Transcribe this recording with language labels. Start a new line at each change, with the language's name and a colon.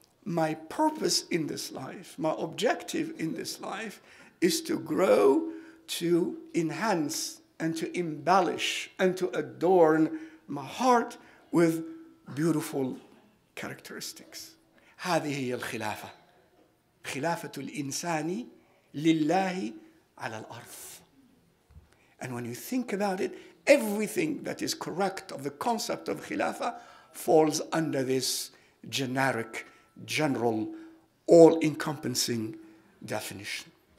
English: my purpose in this life, my objective in this life, is to grow, to enhance, and to embellish, and to adorn my heart with beautiful characteristics.
Arabic: هذه هي الخلافة. خلافة الإنسان لله على الأرض.
English: And when you think about it, everything that is correct of the concept of khilafa falls under this generic, general, all-encompassing definition.